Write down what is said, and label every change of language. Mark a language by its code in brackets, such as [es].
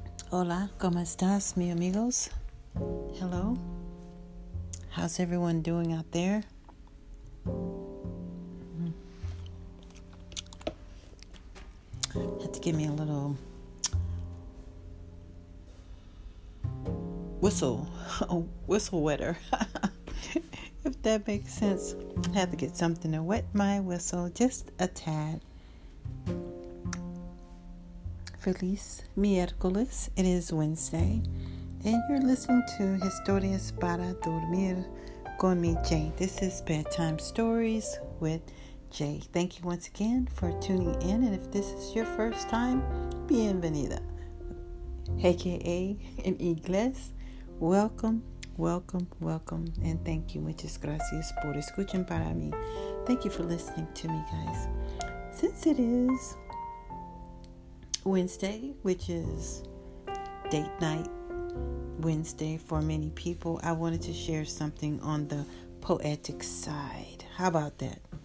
[es] Hola, ¿cómo estás, mi amigos? [en] Hello. How's everyone doing out there? Had to give me a little whistle wetter, if that makes sense. Had to get something to wet my whistle just a tad. [es] Feliz miércoles, [en] it is Wednesday, and you're listening to Historias para Dormir con mi Jay. This is Bedtime Stories with Jay. Thank you once again for tuning in, and if this is your first time, bienvenida, aka in inglés, welcome, welcome, welcome, and thank you. [es] Muchas gracias por escuchar para mí. [en] Thank you for listening to me, guys. Since it is Wednesday, which is date night Wednesday for many people, I wanted to share something on the poetic side. How about that?